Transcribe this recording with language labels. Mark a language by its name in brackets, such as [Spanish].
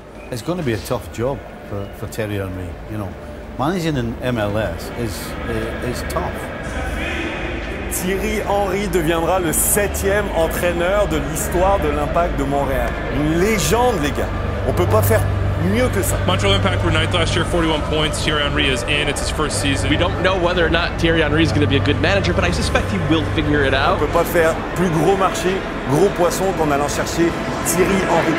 [English] it's going to be a tough job for Thierry and me. You know, managing in MLS is tough. [French] Thierry Henry deviendra le septième entraîneur de l'histoire de l'Impact de Montréal. Une légende, les gars. On peut pas faire mieux que ça. [English] Montreal Impact were ninth last year, 41 points. Thierry Henry is in. It's his first season. We don't know whether or not Thierry Henry is going to be a good manager, but I suspect he will figure it out. [French] On peut pas faire plus gros marché, gros poisson qu'en allant chercher Thierry Henry.